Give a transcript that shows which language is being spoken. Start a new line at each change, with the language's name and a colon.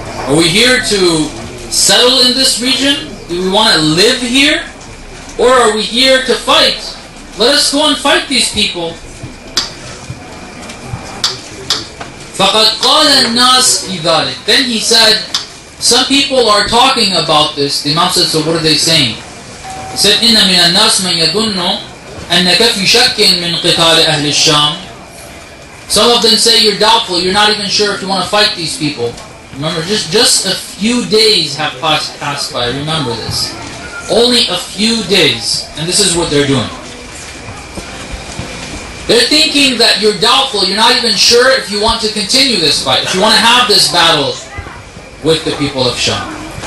English: Are we here to settle in this region? Do we want to live here? Or are we here to fight? Let us go and fight these people.
Arabic: فَقَدْ قَالَ النَّاسِ فِي ذَلِكَ.
English: Then he said, some people are talking about this. The Imam said, so what are they saying? He said,
Arabic: إِنَّ مِنَ النَّاسِ مَنْ يَدُنُّ أَنَّكَ فِي شَكٍ مِنْ قِتَالِ أَهْلِ الشَّامِ.
English: Some of them say you're doubtful, you're not even sure if you want to fight these people. Remember, just a few days have passed by, remember this. Only a few days, and this is what they're doing. They're thinking that you're doubtful, you're not even sure if you want to continue this fight, if you want to have this battle with the people of Sham.